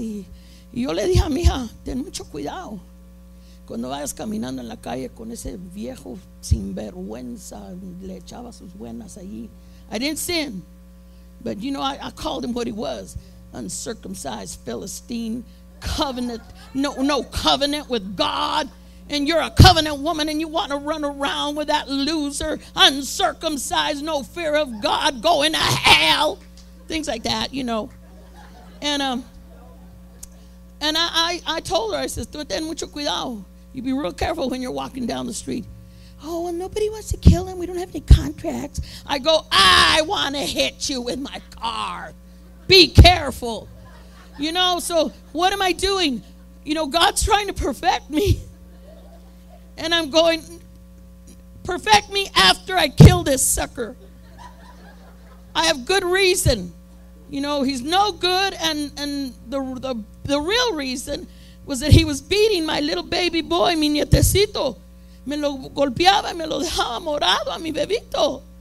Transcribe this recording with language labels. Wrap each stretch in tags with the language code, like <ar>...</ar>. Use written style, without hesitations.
<es>Y yo le dije a mi hija, ten mucho cuidado cuando vayas caminando en la calle con ese viejo sinvergüenza, le echaba sus buenas allí.</es> <en>I didn't sin, but you know, I called him what he was, uncircumcised Philistine, covenant, no covenant with God, and you're a covenant woman and you want to run around with that loser, uncircumcised, no fear of God, going to hell, things like that, you know. And I told her, I said,</en> <es>ten mucho cuidado.</es> <en>You be real careful when you're walking down the street. Oh, well, nobody wants to kill him. We don't have any contracts. I go, I want to hit you with my car. Be careful. You know, so what am I doing? You know, God's trying to perfect me. And I'm going, perfect me after I kill this sucker. I have good reason. You know, he's no good. And the real reason was that he was beating my little baby boy,</en> <es>mi nietecito. Me lo golpeaba y me lo dejaba morado a mi bebito.</es>